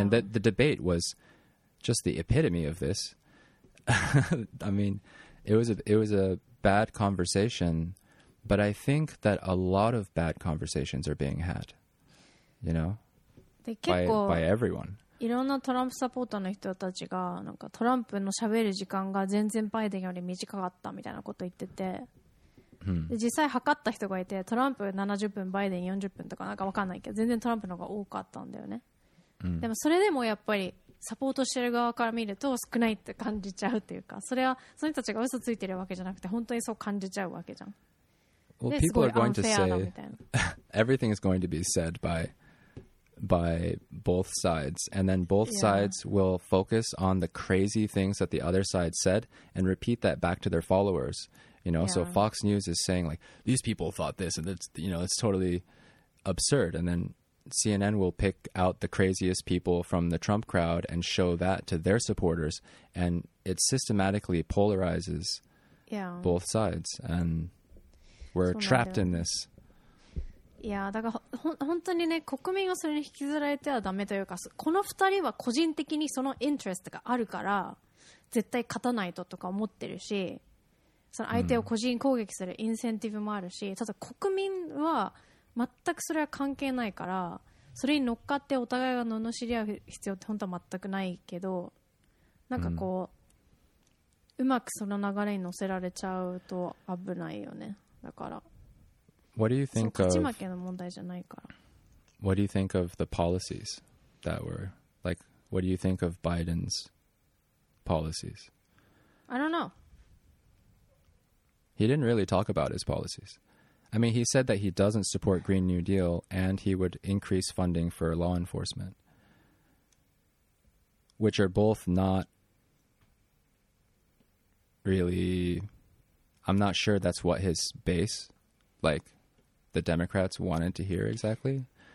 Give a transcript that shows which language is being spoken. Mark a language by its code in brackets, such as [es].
[en] And the debate was just the epitome of this. I mean, it was a bad conversation, but I think that a lot of bad conversations are being had, you know, by everyone. [ja] いろんなトランプサポーターの人たちがなんかトランプの喋る時間が全然バイデンより短かったみたいなこと言ってて、で実際測った人がいて、トランプ70分、バイデン40分とかなんかわかんないけど、全然トランプの方が多かったんだよね。でもそれでもやっぱりサポートしてる側から見ると少ないって感じちゃうっていうか、それはその人たちが嘘ついてるわけじゃなくて本当にそう感じちゃうわけじゃん。 [en] Well, people are going to say everything is going to be said by both sides, and then both yeah. sides will focus on the crazy things that the other side said and repeat that back to their followers. You know, yeah. so Fox News is saying like these people thought this, and it's, you know, it's totally absurd, and then CNN will pick out the craziest people from the Trump crowd and show that to their supporters, and it systematically polarizes yeah. both sides, and we're trapped in this. [ja] Yeah, だから本当にね、国民がそれに引きずられてはダメというか、この二人は個人的にそのインテレストがあるから絶対勝たないととか思ってるし、その相手を個人攻撃するインセンティブもあるし、ただ国民は全くそれは関係ないから、それに乗っかってお互いが罵り合う必要って本当は全くないけど、なんかこう、うまくその流れに乗せられちゃうと危ないよね。だから、 [en] What do you think [ja] その勝ち負けの問題じゃないから。 [en] What do you think of the policies that were, like, what do you think of Biden's policies? I don't know. He didn't really talk about his policies. I mean, he said that he doesn't support Green New Deal and he would increase funding for law enforcement, which are both not really, I'm not sure that's what his base, like the Democrats, wanted to hear exactly.